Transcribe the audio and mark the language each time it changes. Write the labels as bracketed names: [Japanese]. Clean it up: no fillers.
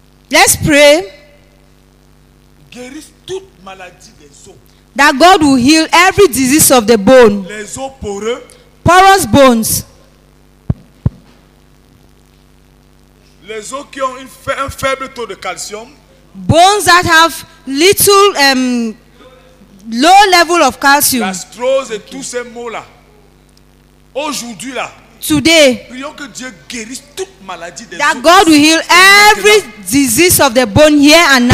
[English] Let's pray that God will heal every disease of the bone, porous bones. [French] Les os qui ont un faible taux de calcium. [English] Bones that have little low level of calcium. [French] Gastrose et tous ces mots-là. Aujourd'hui là. [English] Today. [French] Prions que Dieu guérisse toute maladie des os. [English] That God will heal every disease of the bone here and now.